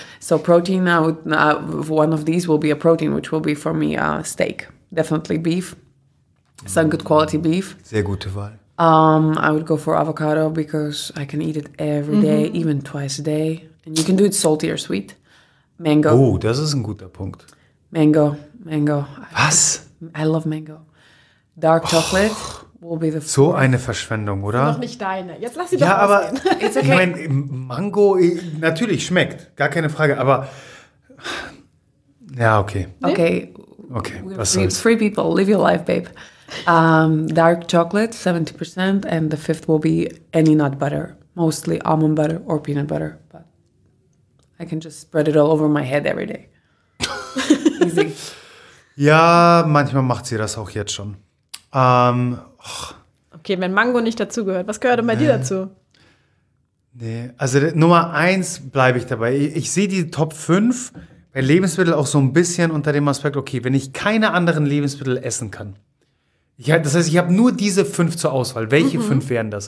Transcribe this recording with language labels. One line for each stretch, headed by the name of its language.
English: So protein, one of these will be a protein, which will be for me a steak, definitely beef, some good quality beef.
German: Sehr gute Wahl.
English: I would go for avocado because I can eat it every day, even twice a day. And you can do it salty or sweet. Mango.
German: Oh, das ist ein guter Punkt.
English: Mango.
German: Was?
English: I love mango. Dark chocolate will be the fourth.
German: So eine Verschwendung, oder? Noch nicht deine. Jetzt lass sie doch ja, ausgehen.
English: Aber it's okay.
German: Ich meine, Mango, natürlich schmeckt, gar keine Frage, aber ja, okay. Okay. Okay, was soll's.
English: Three people, live your life, babe. Dark chocolate, 70%, and the fifth will be any nut butter, mostly almond butter or peanut butter, but I can just spread it all over my head every day. Easy.
German: Ja, manchmal macht sie das auch jetzt schon. Okay, wenn Mango nicht dazugehört, was gehört denn bei dir dazu? Nee, also Nummer eins bleibe ich dabei. Ich sehe die Top 5 bei Lebensmitteln auch so ein bisschen unter dem Aspekt, okay, wenn ich keine anderen Lebensmittel essen kann, das heißt, ich habe nur diese 5 zur Auswahl. Welche 5 wären das?